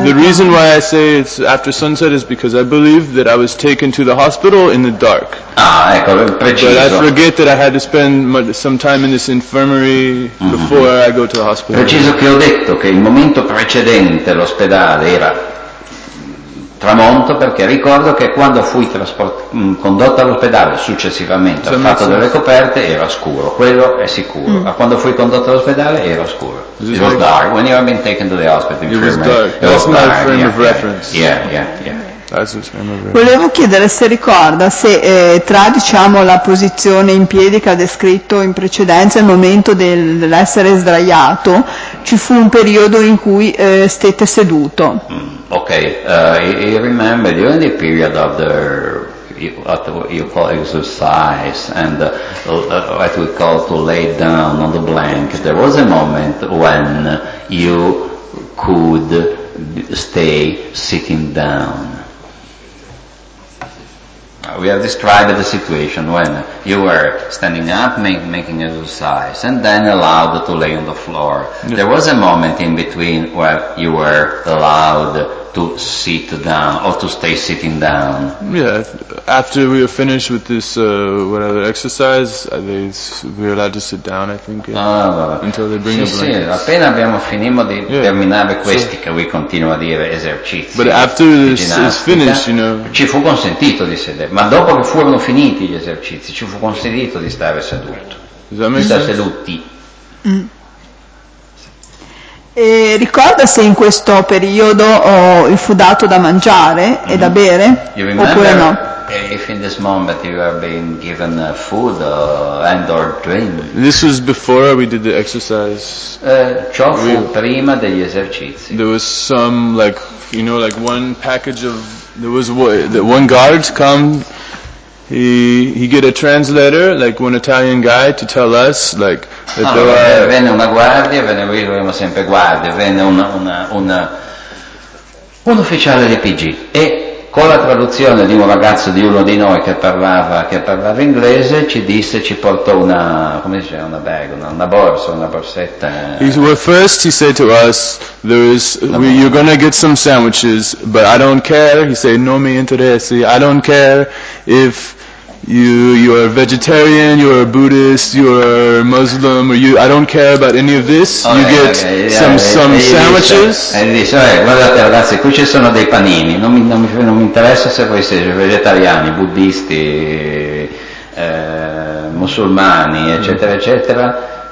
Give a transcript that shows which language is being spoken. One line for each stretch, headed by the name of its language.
English: The reason why I say it's after sunset is because I believe that I was taken to the hospital in the dark.
Italian: Ah, ecco, preciso.
English: But I forget that I had to spend some time in this infirmary before I go to the hospital.
Italian: Preciso che ho detto che il momento precedente l'ospedale era tramonto, perché ricordo che quando fui condotto all'ospedale successivamente ho fatto delle coperte, era scuro, quello è sicuro. Ma quando fui condotto all'ospedale era scuro.
English: It was dark when you have been taken to the hospital. It was dark. That's my frame of reference.
Italian: Volevo chiedere se ricorda se tra, diciamo, la posizione in piedi che ha descritto in precedenza e il momento dell'essere sdraiato ci fu un periodo in cui stette seduto.
English: Okay, you remember during the period of the you call exercise and what we call to lay down on the blank, there was a moment when you could stay sitting down. We have described the situation when you were standing up, making exercise, and then allowed to lay on the floor. Yes. There was a moment in between where you were allowed to sit down or to stay sitting down. Yeah, after we were finished with this whatever exercise, we were allowed to sit down, I think, until they bring the blankets.
Italian: Sì, appena abbiamo finito di terminare questi, che
English: we continue
Italian: a dire esercizi.
English: But after this is finished, you know.
Italian: Ci fu consentito di sedere, ma dopo che furono finiti gli esercizi, ci fu consentito di stare seduto. Seduti. E ricorda se in questo periodo gli fu dato da mangiare e da bere, oppure no?
English: If in this moment you have been given food and or drink. This was before we did the exercise.
Italian: Ciò fu prima degli esercizi.
English: There was some, like, you know, like one package of, there was one guard come, he get a translator, like one Italian guy, to tell us, like,
Italian: venne una guardia, venivamo sempre guardie, venne un ufficiale di PG e con la traduzione di un ragazzo di uno di noi che parlava inglese ci disse, ci portò una, come si dice, una bag, una borsa, una borsetta.
English: First he said to us, you're gonna get some sandwiches, but I don't care, he said,
Italian: non mi interessi,
English: I don't care if you are a vegetarian, you are a Buddhist, you are Muslim, or you, I don't care about any of this. Oh, you get some sandwiches.
Italian: E dice, guardate ragazzi, qui ci sono dei panini, non mi interessa se voi siete vegetariani, buddisti, musulmani, eccetera, eccetera.